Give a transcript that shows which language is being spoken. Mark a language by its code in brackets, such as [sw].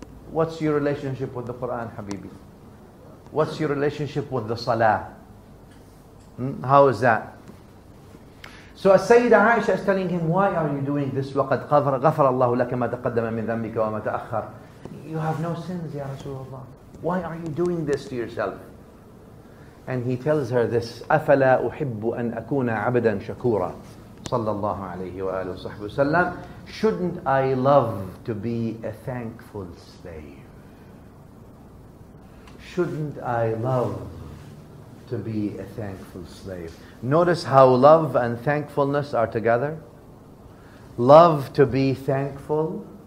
[en] What's your relationship with the Quran, Habibi? What's your relationship with the salah? How is that? So Sayyidah Aisha is telling him, why are you doing this? [ar] وَقَدْ غَفَرَ اللَّهُ لَكَ مَا تَقَدَّمَ مِنْ ذَنْبِكَ وَمَا تَأَخَّرَ. [en] You have no sins, Ya Rasulullah. Why are you doing this to yourself? And he tells her this, [ar] أَفَلَا أُحِبُّ أَنْ أَكُونَ عَبْدًا شَكُورًا صَلَّى اللَّهُ عَلَيْهِ وَآلُهُ وَصَحْبُهُ وَسَلَّمُ. [en] Shouldn't I love to be a thankful slave? Shouldn't I love to be a thankful slave? Notice how love and thankfulness are together. Love to be thankful.